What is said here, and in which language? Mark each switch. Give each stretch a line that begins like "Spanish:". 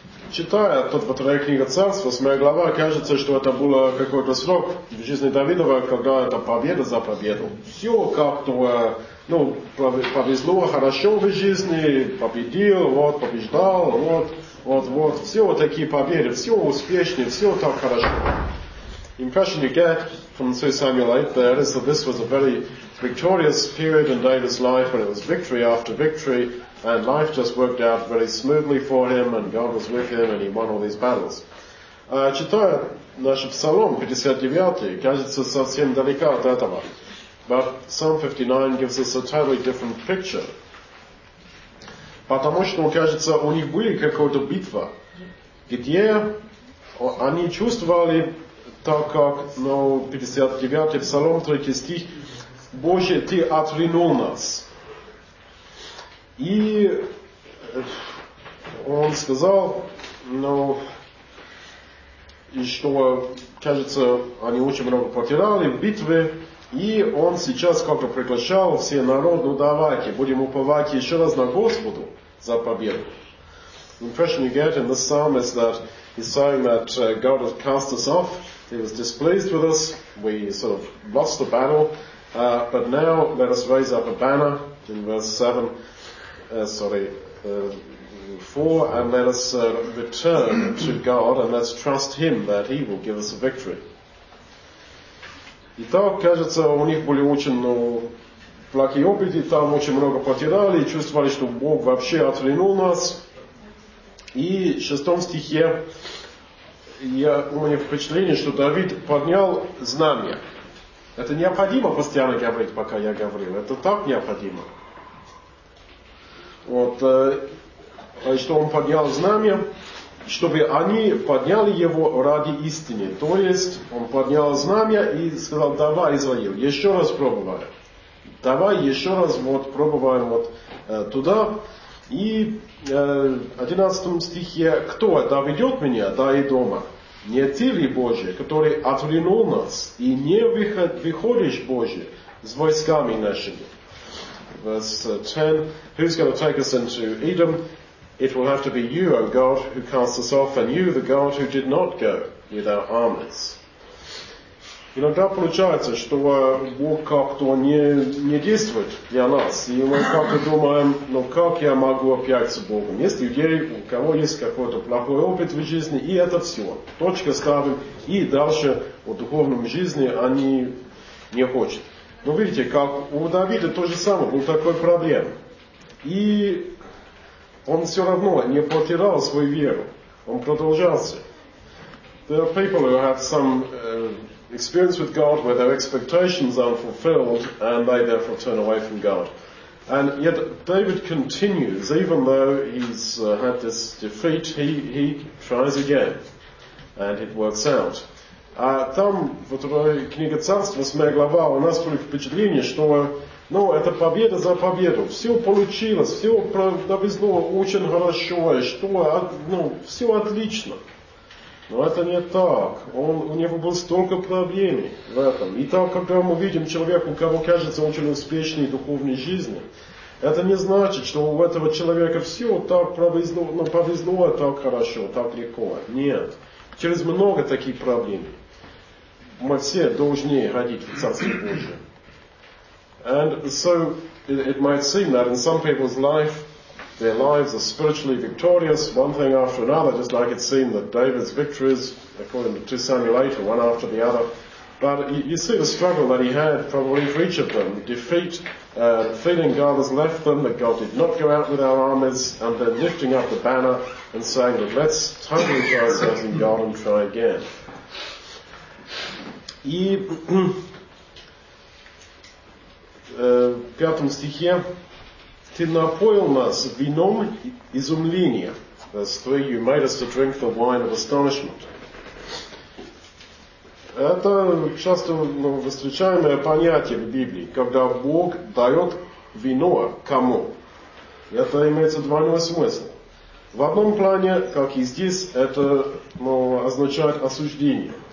Russian: Читая тот вторая книга царств, 8 глава, кажется, что это был какой-то срок в жизни Давидова, когда это победа за победу. Все как-то, ну, повезло хорошо в жизни, победил, вот, побеждал, вот. Вот-вот, все вот такие победы, все успешные, все так хорошо.
English: Impression you get from 2 Samuel 8 there is that this was a very victorious period in David's life, when it was victory after victory, and life just worked out very smoothly for him, and God was with him, and he won all these battles.
Russian: Читая наш Псалом 59, кажется совсем далеко от этого.
English: But Psalm 59 gives us a totally different picture.
Russian: Потому что, кажется, у них были какая-то битва, где они чувствовали, так как, ну, 59-й Псалом, 3 стих, «Боже, Ты отринул нас». И он сказал, ну, и что, кажется, они очень много потеряли в битве, и он сейчас как-то приглашал все народ, ну, давайте, будем уповать еще раз на Господу.
English: The impression you get in this psalm is that he's saying that God has cast us off, he was displeased with us, we sort of lost the battle, but now let us raise up a banner in verse 7, 4, and let us return to God and let's trust him that he will give us a victory.
Russian: Итак, кажется, у них были очень, ну, плохие опыты, там очень много потеряли, чувствовали, что Бог вообще отвернул нас. И в 6 стихе у меня впечатление, что Давид поднял знамя. Это необходимо постоянно говорить, пока я говорю. Это так необходимо. Вот, что он поднял знамя, чтобы они подняли его ради истины. То есть он поднял знамя и сказал, давай, Израиль, еще раз пробовали. Давай еще раз вот пробуем вот туда. И в 11 стихе, кто доведет меня до Эдома? Не ты ли, Боже, который отвернул нас, и не выходишь, Боже, с войсками нашими?
English: Verse 10, who's going to take us into Edom? It will have to be you, O God, who cast us off, and you, the God, who did not go with our armies.
Russian: Иногда получается, что Бог как-то не действует для нас. И мы как-то думаем, ну как я могу опять с Богом? Есть людей, у кого есть какой-то плохой опыт в жизни, и это все. Точка ставим, и дальше в духовном жизни они не хотят. Но видите, как у Давида то же самое, был такой проблем. И он все равно не потерял свою веру. Он продолжался.
English: There are people who have some experience with God where their expectations aren't fulfilled and they therefore turn away from God. And yet David continues, even though he's had this defeat, he tries again and it works out.
Russian: А там в этой книге Царств 8 глава у нас были впечатления, что ну, это победа за победу. Все получилось, все провезло очень хорошо, и что, ну, все отлично. Но это не так. У него было столько проблем в этом. И так, когда мы видим человека, у кого кажется очень успешной духовной жизни, это не значит, что у этого человека все так провезло, ну, повезло так хорошо, так легко. Нет. Через много таких проблем мы все должны ходить в Царство Божие.
English: And so it might seem that in some people's life, their lives are spiritually victorious, one thing after another, just like it seemed that David's victories, according to 2 Samuel 8, one after the other. But you see the struggle that he had probably for each of them, defeat, feeling God has left them, that God did not go out with our armies, and then lifting up the banner and saying that let's totally try ourselves in God and try again.
Russian: И в пятом стихе ты напоил нас вином изумления.
English: Verse 3, you made us to drink the wine of astonishment.
Russian: Это часто встречаемое понятие в Библии, когда Бог дает вино кому. Это имеется двойной смысл. В одном плане, как и здесь, это означает осуждение.